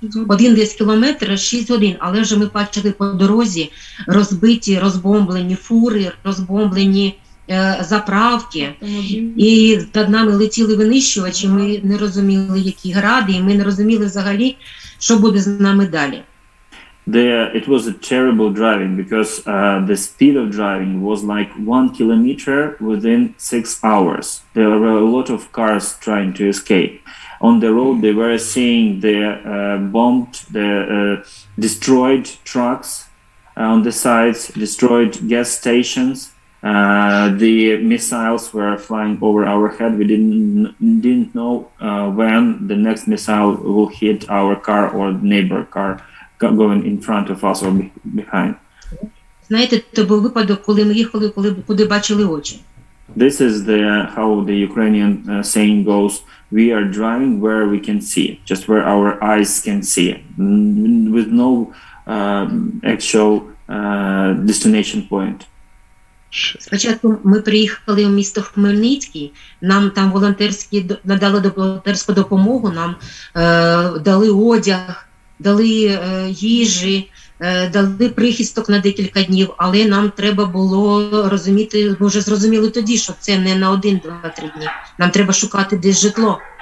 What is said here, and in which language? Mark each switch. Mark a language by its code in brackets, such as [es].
[uk] Один десь кілометр, 6 годин, але вже ми бачили по дорозі розбиті, розбомблені фури, розбомблені заправки. І над нами летіли винищувачі, ми не розуміли, які гради, і ми не розуміли взагалі, що буде з нами далі. [en] It was a terrible driving because the speed of driving was like 1 kilometer within 6 hours. There were a lot of cars trying to escape. On the road, they were seeing the bombed, the destroyed trucks on the sides, destroyed gas stations. The missiles were flying over our head. We didn't know when the next missile will hit our car or neighbor car. Going in front of us or behind. [uk] Знаєте, то був випадок, коли ми їхали, коли куди бачили очі. [en] This is the how the Ukrainian saying goes. We are driving where we can see, just where our eyes can see, with no actual destination point. [uk] Спочатку ми приїхали у місто Хмельницький, нам там волонтерські надали волонтерську допомогу, нам дали одяг, дали їжі, дали прихисток на декілька днів, але нам треба було розуміти, ми вже зрозуміли тоді, що це не на один, два, три дні, нам треба шукати десь житло.